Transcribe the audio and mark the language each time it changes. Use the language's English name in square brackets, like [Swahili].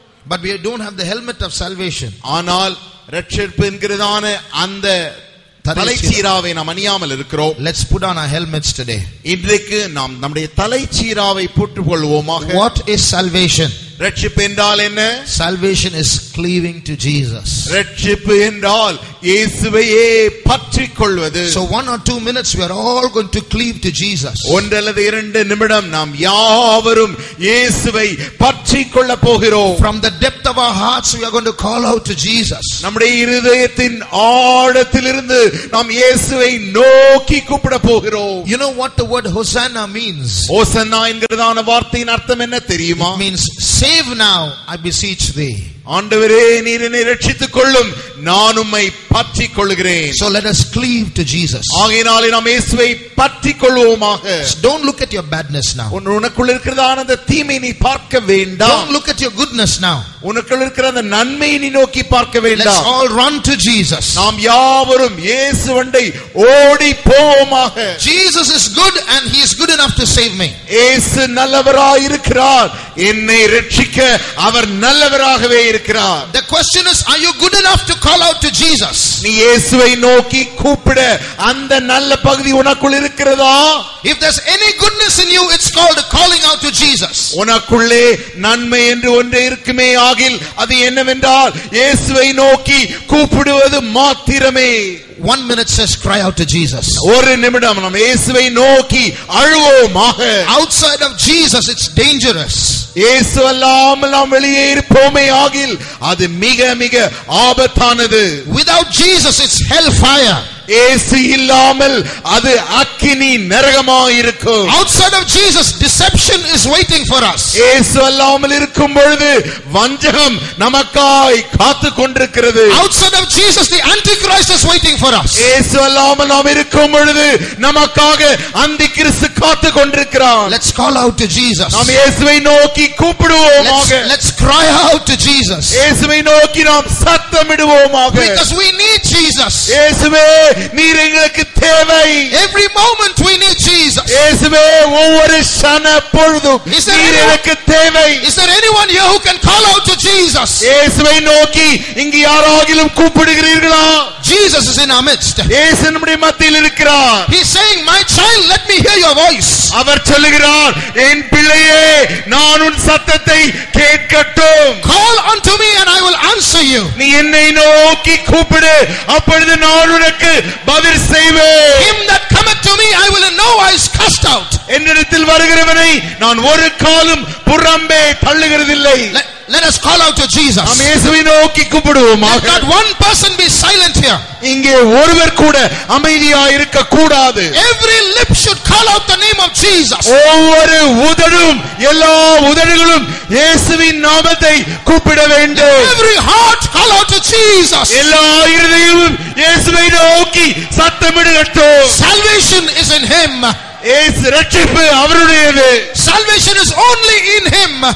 [English] But we don't have the helmet of salvation. [Tamil] ஆனால் ரட்சிப்பு என்கிறதான அந்த தலைச்சீராவை நாம் அணியாமல் இருக்கிறோம். [English] Let's put on our helmets today. [Tamil] இன்றைக்கு நாம் நம்முடைய தலைச்சீராவை போட்டுக் கொள்வோமாக. [English] What is salvation? [Tamil] ரட்சிப்பு என்றால் என்ன? [English] Salvation is cleaving to Jesus. [Tamil] ரட்சிப்பு என்றால் இயேசுவையே பற்றிக்கொள்வது. [English] So 1 or 2 minutes we are all going to cleave to Jesus. [Tamil] ஒன்று அல்லது இரண்டு நிமிடம் நாம் யாவரும் இயேசுவை பற்றிக்கொள்ள போகிறோம். [English] From the depth of our hearts we are going to call out to Jesus. [Tamil] நம்முடைய இருதயத்தின் ஆழத்திலிருந்து நாம் இயேசுவை நோக்கி கூப்பிட போகிறோம். [English] You know what the word Hosanna means? [Tamil] Hosanna என்கிறதான வார்த்தையின் அர்த்தம் என்ன தெரியுமா? [English] It means save now, I beseech thee. [Tamil] ஆண்டவரே நீர் என்னை ரட்சித்துக் கொள்ளும், நான் உம்மை பற்றிக் கொள்கிறேன். [English] So let us cleave to Jesus. [Tamil] ஆகையினாலே நாம் இயேசுவை பற்றிக் கொள்வோமாக. [English] Don't look at your badness now. [Tamil] உனக்குள்ள இருக்கிறதான அந்த தீமை நீ பார்க்க வேண்டாம். [English] Don't look at your goodness now. [Tamil] உனக்குள்ள இருக்கிற அந்த நன்மையை நீ நோக்கி பார்க்க வேண்டாம். [English] Let's all run to Jesus. [Tamil] நாம் யாவரும் இயேசுவண்டை ஓடி போவோமாக. [English] Jesus is good and he is good enough to save me. [Tamil] இயேசு நல்லவராய் இருக்கிறார், என்னை ரட்சிக்க அவர் நல்லவராகவே இருக்கிறார். [English] The question is, are you good enough to call out to Jesus? Jesus. [Tamil] நீ இயேசுவை நோக்கி கூப்பிடு. அந்த நல்ல பகுதி உனக்குள்ள இருக்கிறதா? [English] If there's any goodness in you, it's called calling out to Jesus. [Tamil] உனக்குள்ளே நன்மை என்று ஒன்றே இருக்குமே ஆகில் அது என்னவென்றால் இயேசுவை நோக்கி கூப்பிடுவது மாத்திரமே. [English] 1 minute says cry out to Jesus. [Tamil] ஒரு நிமிடம் நாம் இயேசுவை நோக்கி அழுவோமாக. [English] Outside of Jesus, it's dangerous. [Tamil] இயேசு அல்லாமல் நாம் வெளியே இருப்போமே ஆகில் அது மிக மிக ஆபத்தானது. [English] Without Jesus, it's hellfire. [Tamil] இயேசு இல்லாமல் அது அக்கினி நரகமாயிருக்கும். [English] Outside of Jesus, deception is waiting for us. [Tamil] இயேசு அல்லாமல் இருக்கும் பொழுது வஞ்சகம் நமக்காய் காத்து கொண்டிருக்கிறது. [English] Outside of Jesus, the Antichrist is waiting for us. [Tamil] இயேசு அல்லாமல் நாம் இருக்கும் பொழுது நமக்காக அந்திகிறிஸ்து காத்து கொண்டிருக்கிறார். [English] Let's call out to Jesus. [Tamil] நாம் இயேசுவை நோக்கி கூப்பிடுவோமாக. [English] Let's cry out to Jesus. [Tamil] இயேசுவை நோக்கி நாம் சத்தமிடுவோமாக. [English] Because we need Jesus. [Tamil] இயேசுவே நீர் எங்களுக்கு தேவை. [English] Every moment we need Jesus. [Tamil] இயேசுவே ஒவ்வொரு சன பொழுதும் நீர் எங்களுக்கு தேவை. [English] Is there anyone here who can call out to Jesus? [Tamil] இயேசுவை நோக்கி இங்கு யாராகிலும் கூப்பிடுகிறீர்களா? [English] Jesus is in our midst. [Tamil] இயேசு நம்முடைய மத்தியில் இருக்கிறார். [English] He is saying, my child, let me hear your voice. [Tamil] அவர் சொல்கிறார், என் பிள்ளையே நான் உன் சத்தத்தை கேட்கட்டும். [English] Call unto me and I will answer you. [Tamil] நீ என்னை நோக்கி கூப்பிடு, அப்பொழுது நான் உனக்கு பதில் செய்வேன். [English] Him that cometh to me, I will in no wise cast out. [Tamil] என்னிடத்தில் வருகிறவனை நான் ஒரு காலும் புறம்பே தள்ளுகிறதில்லை. [English] Let us call out to Jesus. [Tamil] நாம் இயேசுவை நோக்கி கூப்பிடுவோமாக. [English] Let not one person be silent here. [Tamil] இங்கே ஒருவர் கூட அமைதியாக இருக்க கூடாது. [English] Every lip should call out the name of Jesus. [Tamil] ஒவ்வொரு உதடும், எல்லா உதடுகளும் இயேசுவின் நாமத்தை கூப்பிட வேண்டும். [English] Every heart call out to Jesus. [Tamil] எல்லா இருதயமும் இயேசுவை நோக்கி சத்தமிடட்டும். [English] Salvation is in him. [Tamil] அவருடையது. [English] Salvation is only in him.